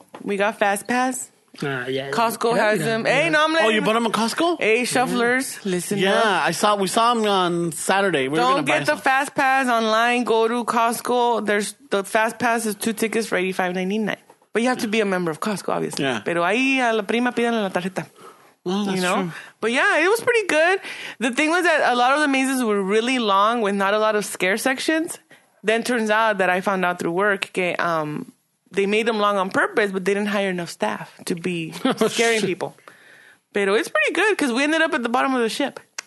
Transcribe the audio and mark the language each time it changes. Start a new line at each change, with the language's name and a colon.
English: We got Fast Pass. Yeah. Costco has them. Yeah. Hey, no, I'm like, oh, you bought them at Costco? Hey, Shufflers, listen. Yeah, up. We saw them on Saturday. Don't get the Fast Pass online. Go to Costco. There's the Fast Pass is two tickets for $85.99. But you have to be a member of Costco, obviously. Yeah.
Spanish: Pero ahí a la prima piden la tarjeta.
English: Well, you know, true. But yeah, it was pretty good. The thing was that a lot of the mazes were really long with not a lot of scare sections. Then turns out that I found out through work that they made them long on purpose, but they didn't hire enough staff to be scaring people.
Spanish: Pero
English: it's pretty good because we ended up at the bottom of the ship.